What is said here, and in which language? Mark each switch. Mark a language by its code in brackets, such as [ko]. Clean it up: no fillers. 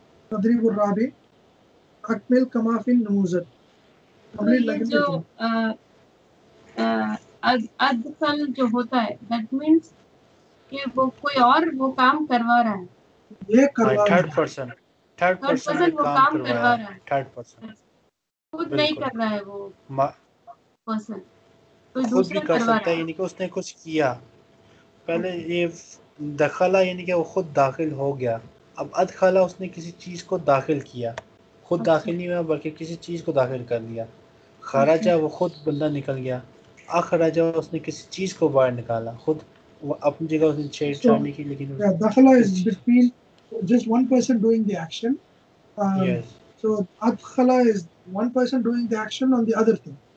[ar] تدريب الرابع اكمل كما في النموذج [ur] ادخل جو ہوتا ہے [en] that means [ur] کہ وہ کوئی اور وہ کام کروا رہا ہے یہ کروا رہا ہے [en] third person [ur] وہ کام کروا رہا ہے [en] third person [ur] خود نہیں کر رہا ہے وہ person خود بھی کر سکتا ہے یعنی کہ اس نے کچھ کیا پہلے یہ دخلا یعنی کہ وہ خود داخل ہو گیا اب ادخالہ اس نے کسی چیز کو داخل کیا خود okay. داخل نہیں ہوا بلکہ کسی چیز کو داخل کر لیا خارجہ okay. وہ خود بندہ نکل گیا اخرجہ اس نے کسی چیز کو باہر نکالا خود اپنی جگہ اس نے چھیڑ چھاڑنے کی لیکن [en] yeah, داخلہ is between just one person doing the action yes. so ادخالہ is one person doing the action on the other thing